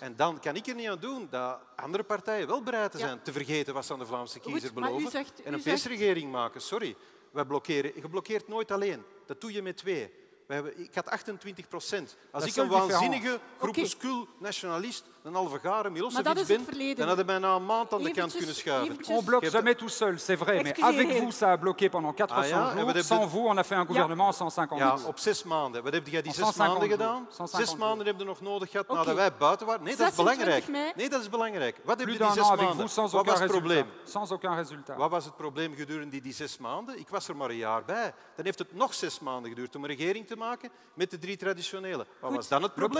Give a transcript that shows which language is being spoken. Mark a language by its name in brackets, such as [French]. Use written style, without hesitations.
[Dutch] En dan kan ik er niet aan doen dat andere partijen wel bereid zijn te vergeten wat ze aan de Vlaamse kiezer beloven. Maar u zegt, en een PS-regering maken, sorry. Wij blokkeren. Je blokkeert nooit alleen. Dat doe je met twee. Ik had 28%. Als dat ik een waanzinnige groepuscul nationalist, een halve garen, Milosevic ben, dan hadden wij na een maand aan de kant kunnen schuiven. [French] On bloque jamais tout seul, c'est vrai. Mais avec vous, ça a bloqué pendant 400 jours. Sans vous, on a fait un gouvernement 150 jours. [Dutch] Ja, op zes maanden. Wat heb jij die zes maanden gedaan? Zes maanden hebben we nog nodig gehad nadat wij buiten waren. Nee, dat is belangrijk. Nee, dat is belangrijk. Wat heb je die zes maanden? Wat was het probleem? [French] Sans aucun résultat. [Dutch] Wat was het probleem gedurende die zes maanden? Ik was er maar een jaar bij. Dan heeft het nog zes maanden geduurd om een regering te maken met de drie traditionele. Wat was dan het probleem?